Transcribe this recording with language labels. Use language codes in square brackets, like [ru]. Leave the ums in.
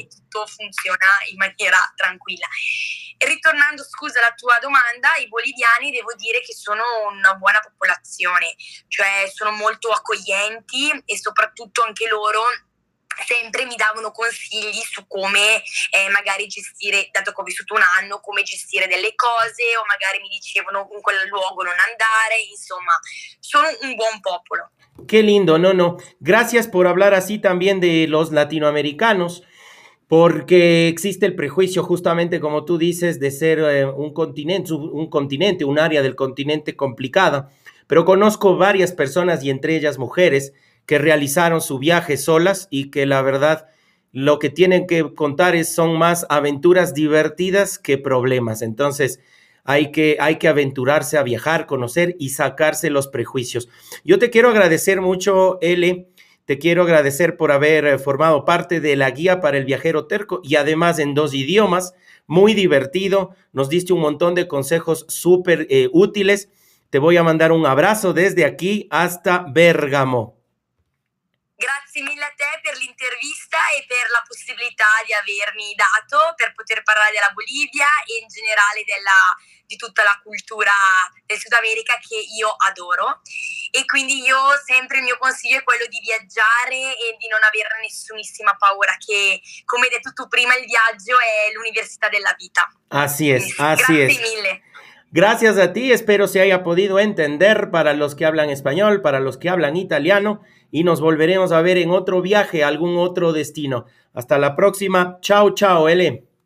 [it] e tutto funziona in maniera tranquilla. E ritornando, scusa, alla tua domanda, i boliviani devo dire che sono una buona popolazione, cioè sono molto accoglienti e soprattutto anche loro sempre mi davano consigli su come eh, magari gestire, dato che ho vissuto un anno, come gestire delle cose o magari mi dicevano in quel luogo non andare, insomma, sono un buon popolo. [es] qué lindo, no, no. Gracias por hablar así también de los latinoamericanos, porque existe el prejuicio justamente, como tú dices, de ser eh, un continente, sub- un continente, un área del continente complicada. Pero conozco varias personas y entre ellas mujeres que realizaron su viaje solas y que la verdad lo que tienen que contar es son más aventuras divertidas que problemas. Entonces hay que, hay que aventurarse a viajar, conocer y sacarse los prejuicios. Yo te quiero agradecer mucho, L. Te quiero agradecer por haber eh, formado parte de la guía para el viajero terco y además en dos idiomas. Muy divertido. Nos diste un montón de consejos súper eh, útiles. Te voy a mandar un abrazo desde aquí hasta Bérgamo. [it] Grazie mille a te per l'intervista e per la possibilità di avermi dato per poter parlare della Bolivia e in generale della- di tutta la cultura del Sud America che io adoro. E quindi io sempre il mio consiglio è quello di viaggiare e di non avere nessunissima paura che, come hai detto tu prima, il viaggio è l'università della vita. [es] Así es, así [it] Grazie [es] es. [it] mille. [es] Gracias a ti, espero se haya podido entender para los que hablan español, para los que hablan italiano y nos volveremos a ver en otro viaje a algún otro destino. Hasta la próxima. Chao, chao, L.